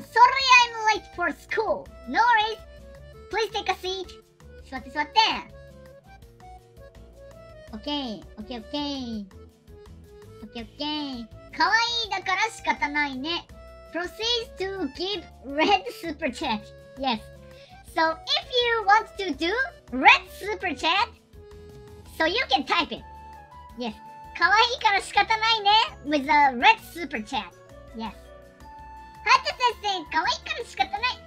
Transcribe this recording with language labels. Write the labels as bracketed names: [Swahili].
[English] Sorry, I'm late for school. No worries. Please take a seat. [Japanese] 座って座って。 [English] OK, OK, OK. OK, OK. [Japanese] かわいいだから仕方ないね。 [English] Proceed to give red super chat. Yes. So if you want to do red super chat, so you can type it. Yes. [Japanese] かわいいから仕方ないね。 [English] With a red super chat. Yes. [Japanese] はやて先生、かわいいから仕方ない。